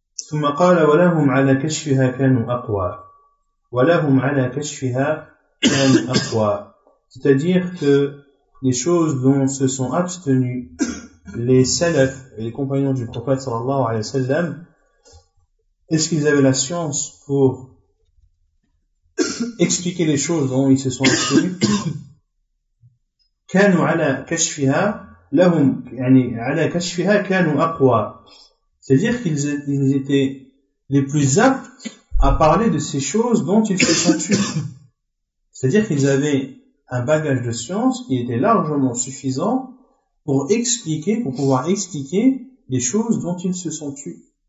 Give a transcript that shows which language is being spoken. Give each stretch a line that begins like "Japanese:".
Arabic: ثم قال ولهم على كشفها كانوا أقوى ولهم على كشفها كانوا أقوى.
French: C'est-à-dire que les choses dont se sont abstenus les salafs et les compagnons du prophète sallallahu alayhi wa sallam, est-ce qu'ils avaient la science pour expliquer les choses dont ils se sont abstenus?
Arabic: كانوا على كشفها لهم يعني على كشفها كانوا أقوى.
French: C'est-à-dire qu'ils étaient les plus aptes à parler de ces choses dont ils se sont abstenus. C'est-à-dire qu'ils avaient un bagage de science qui était largement suffisant pour expliquer, pour pouvoir expliquer les choses dont ils se sont abstenus.